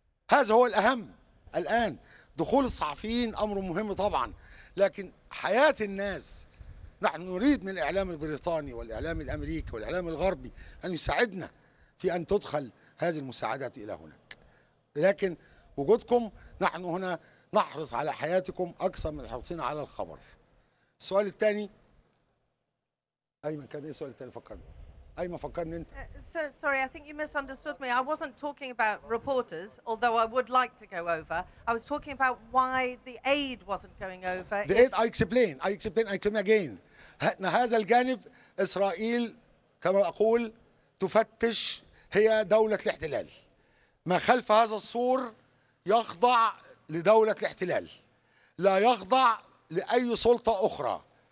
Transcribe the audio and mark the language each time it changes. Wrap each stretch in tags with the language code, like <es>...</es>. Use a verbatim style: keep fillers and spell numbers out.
<ar>هذا هو الأهم الآن. دخول الصحفيين أمر مهم طبعا، لكن حياة الناس، نحن نريد من الإعلام البريطاني والإعلام الأمريكي والإعلام الغربي أن يساعدنا في أن تدخل هذه المساعدات إلى هناك. لكن وجودكم، نحن هنا نحرص على حياتكم أكثر من حرصنا على الخبر. السؤال الثاني، أيمن، كان إيه السؤال الثاني؟ فكرني أيمن، فكرني أنت.</ar> <en>Uh, so, sorry, I think you misunderstood me. I wasn't talking about reporters, although I would like to go over. I was talking about why the aid wasn't going over. The aid, I explain. I explain. I explain again.</en> <ar>هذا الجانب، إسرائيل كما أقول تفتش، هي دولة الاحتلال. ما خلف هذا السور يخضع لدولة الاحتلال، لا يخضع لأي سلطة أخرى.</ar>